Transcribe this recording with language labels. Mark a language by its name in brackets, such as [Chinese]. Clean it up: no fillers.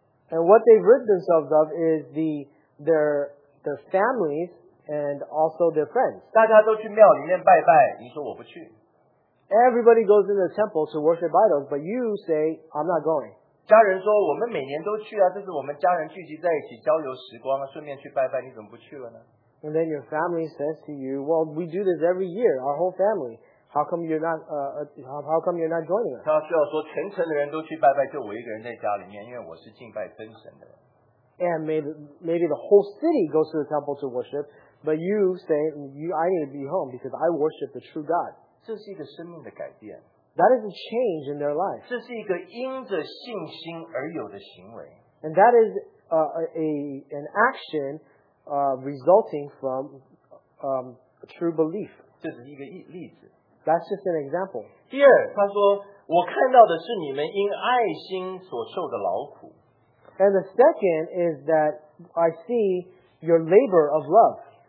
[English] And what they've rid themselves of is their families and also their friends. [Chinese] 大家都去庙里面拜拜，你说我不去。 [English] Everybody goes into the temple to worship idols, but you say, I'm not going. [Chinese] 家人说我们每年都去啊，这是我们家人聚集在一起交流时光，顺便去拜拜，你怎么不去了呢？ [English] And then your family says to you, well, we do this every year, our whole family. How come you're not joining us? [Chinese] 他需要说全城的人都去拜拜，就我一个人在家里面，因为我是敬拜真神的人。 [English] And maybe the whole city goes to the temple to worship, but you say I need to be home because I worship the true God. [Chinese] 这是一个生命的改变。 [English] That is a change in their life. [Chinese] 这是一个因着信心而有的行为。 [English] And that is an action resulting from true belief. [Chinese] 这是一个例子。 [English] That's just an example. [Chinese] 第二，他说，我看到的是你们因爱心所受的劳苦。 [English] And the second is that I see your labor of love.